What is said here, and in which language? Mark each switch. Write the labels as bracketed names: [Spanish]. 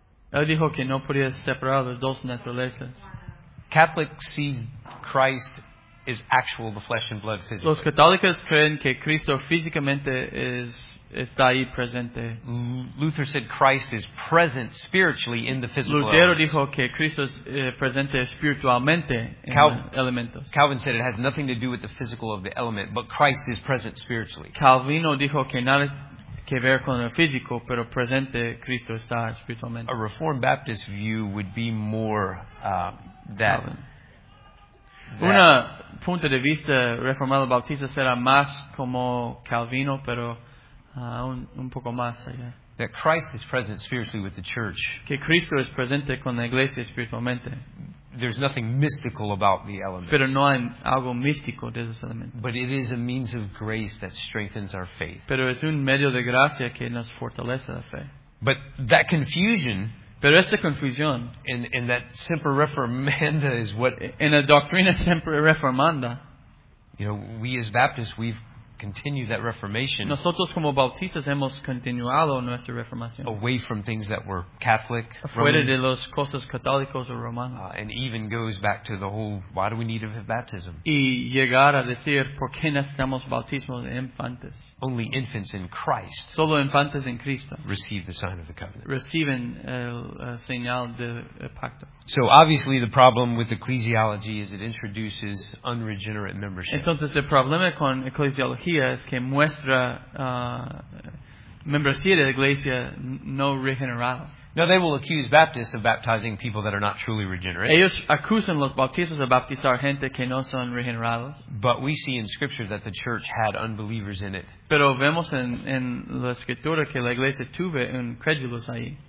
[Spanish] Él dijo que no podía separar las dos naturalezas. [English] Catholic sees Christ is actual, the flesh and blood physically. [Spanish] Los católicos creen que Cristo físicamente es está ahí presente. [English] Luther said Christ is present spiritually in the physical. [Spanish] Lutero [English] elements. [Spanish] Dijo que Cristo es presente espiritualmente en Calvin, elementos. [English] Calvin said it has nothing to do with the physical of the element, but Christ is present spiritually. [Spanish] Calvino dijo que nada que ver con el físico, pero presente Cristo está espiritualmente. [English] A Reformed Baptist view would be more that. [Spanish] Una punto de vista reformado bautista será más como Calvino, pero un poco más allá. [English] That Christ is present spiritually with the church. [Spanish] Que Cristo es presente con la iglesia espiritualmente. [English] There's nothing mystical about the elements. [Spanish] Pero no hay algo místico de esos elementos. [English] But it is a means of grace that strengthens our faith. [Spanish] Pero es un medio de gracia que nos fortalece la fe. [English] But that confusion. [Spanish] Pero esta confusión. [English] And that semper reformanda is what. [Spanish] En la doctrina semper reformanda. [English] You know, we as Baptists, we've continue that reformation. [Spanish] Nosotros como bautistas hemos continuado nuestra reformación. [English] Away from things that were Catholic. [Spanish] Afuera Roman, de los cosas católicos o romanos. [English] And even goes back to the whole, why do we need a baptism? [Spanish] Y llegar a decir, ¿por qué necesitamos bautismo de infantes? [English] Only infants in Christ. [Spanish] Solo infantes en Cristo. [English] Receive the sign of the covenant. [Spanish] Reciben el señal del pacto. [English] So obviously the problem with ecclesiology is it introduces unregenerate membership. [Spanish] Entonces el problema con ecclesiology es que muestra membresía de la iglesia no regenerada. [English] Now they will accuse Baptists of baptizing people that are not truly regenerate. [Spanish] Ellos acusan los bautistas de bautizar gente que no son regenerados. [English] But we see in Scripture that the church had unbelievers in it. [Spanish] Pero vemos en la escritura que la iglesia tuvo incrédulos ahí.